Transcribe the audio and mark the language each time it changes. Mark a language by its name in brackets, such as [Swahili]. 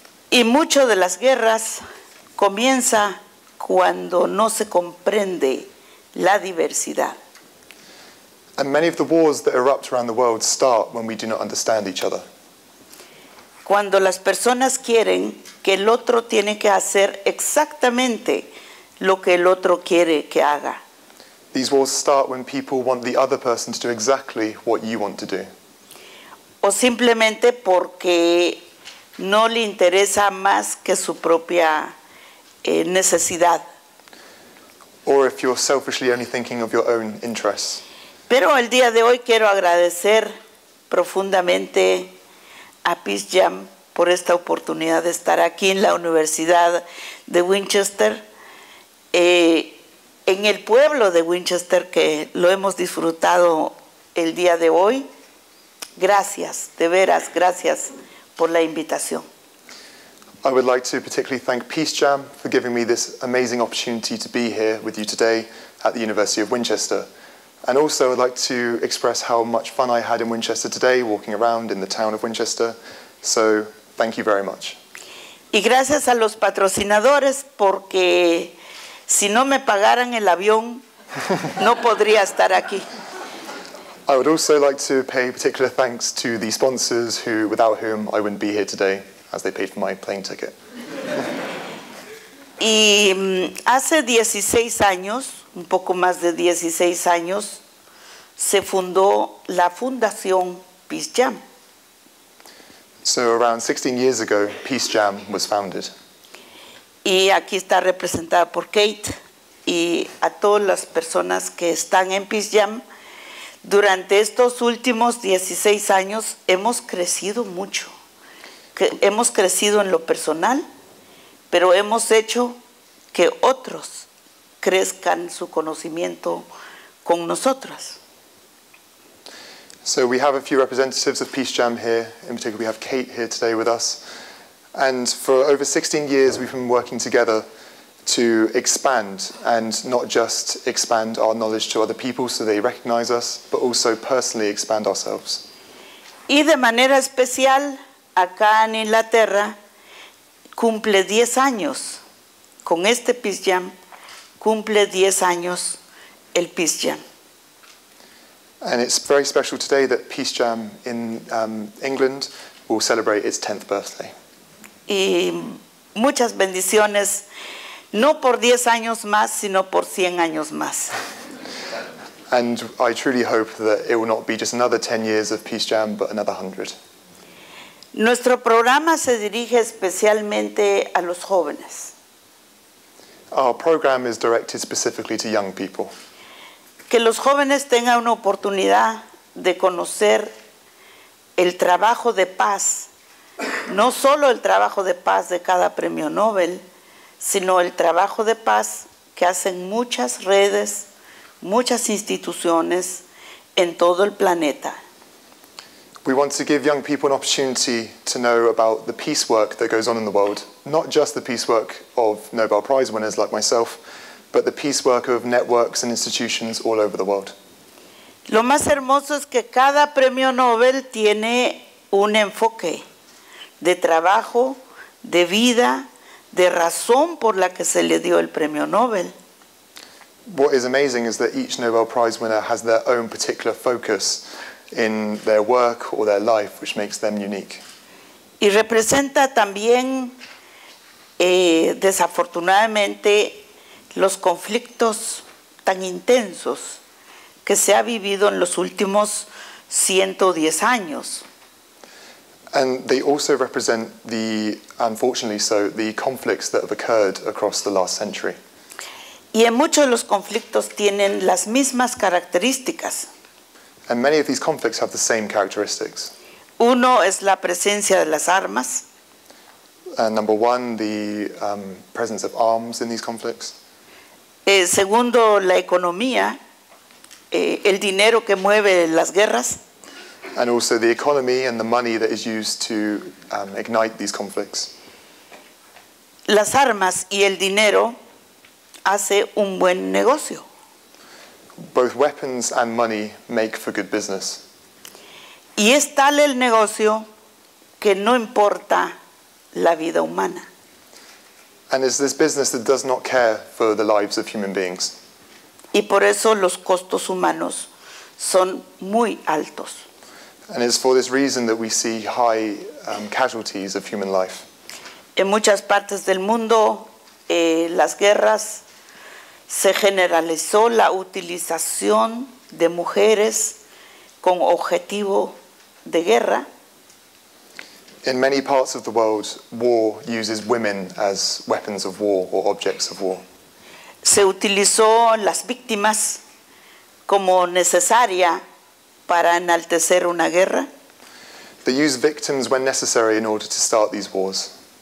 [Spanish] Y mucho de las guerras comienza cuando no se comprende la diversidad. [English] And many of the wars that erupt around the world start when we do not understand each other. [Spanish] cuando las personas quieren que el otro tiene que hacer exactamente lo que el otro quiere que haga. [English] These wars start when people want the other person to do exactly what you want to do. [Spanish] O simplemente porque no le interesa más que su propia necesidad. [English] Or if you're selfishly only thinking of your own interests. [Spanish] Pero el día de hoy quiero agradecer profundamente a Peace Jam por esta oportunidad de estar aquí en la Universidad de Winchester, en el pueblo de Winchester, que lo hemos disfrutado el día de hoy. Gracias, de veras, gracias por la invitación. [English] I would like to particularly thank Peace Jam for giving me this amazing opportunity to be here with you today at the University of Winchester. And also I'd like to express how much fun I had in Winchester today, walking around in the town of Winchester. So thank you very much. [Spanish] Y gracias a los patrocinadores, porque si no me pagaran el avión, no podría estar aquí. [English] I would also like to pay particular thanks to the sponsors who, without whom I wouldn't be here today, as they paid for my plane ticket. [Spanish] Y hace 16 años, un poco más de 16 años, se fundó la Fundación Peace Jam. [English] So around 16 years ago, Peace Jam was founded. [Spanish] Y aquí está representada por Kate y a todas las personas que están en Peace Jam. Durante estos últimos 16 años hemos crecido mucho. Hemos crecido en lo personal, pero hemos hecho que otros crezcan su conocimiento con nosotras. [English] So we have a few representatives of Peace Jam here. In particular, we have Kate here today with us. And for over 16 years, we've been working together to expand, and not just expand our knowledge to other people so they recognize us, but also personally expand ourselves. [Spanish] Y de manera especial, acá en Inglaterra, cumple 10 años con este Peace Jam, cumple 10 años el Peace Jam. [English] And it's very special today that Peace Jam in England will celebrate its 10th birthday. [Spanish] Y muchas bendiciones, no por 10 años más, sino por 100 años más. [English] And I truly hope that it will not be just another 10 years of Peace Jam, but another 100. [Spanish] Nuestro programa se dirige especialmente a los jóvenes. [English] Our program is directed specifically to young people. [Spanish] Que los jóvenes tengan una oportunidad de conocer el trabajo de paz, no solo el trabajo de paz de cada premio Nobel, sino el trabajo de paz que hacen muchas redes, muchas instituciones en todo el planeta. [English] We want to give young people an opportunity to know about the peace work that goes on in the world, not just the peace work of Nobel Prize winners like myself, but the peace work of networks and institutions all over the world. [Spanish] Lo más hermoso es que cada premio Nobel tiene un enfoque de trabajo, de vida, de razón por la que se le dio el premio Nobel. [English] What is amazing is that each Nobel Prize winner has their own particular focus in their work or their life, which makes them unique. [Spanish] Y representa también, desafortunadamente, los conflictos tan intensos que se ha vivido en los últimos 110 años. [English] And they also represent the, unfortunately so, the conflicts that have occurred across the last century. [Spanish] Y en muchos de los conflictos tienen las mismas características. [English] And many of these conflicts have the same characteristics. [Spanish] Uno es la presencia de las armas. [English] And number one, the presence of arms in these conflicts. [Spanish] Segundo, la economía, el dinero que mueve las guerras. [English] And also the economy and the money that is used to ignite these conflicts. [Spanish] Las armas y el dinero hace un buen negocio. [English] Both weapons and money make for good business. [Spanish] Y es tal el negocio que no importa la vida humana. [English] And it's this business that does not care for the lives of human beings. [Spanish] Y por eso los costos humanos son muy altos. [English] And it's for this reason that we see high casualties of human life. [Spanish] En muchas partes del mundo, las guerras se generalizó la utilización de mujeres con objetivo de guerra. [English] In many parts of the world, war uses women as weapons of war or objects of war. [Spanish] Se utilizó las víctimas como necesaria para enaltecer una guerra. [English] They use victims when necessary in order to start these wars.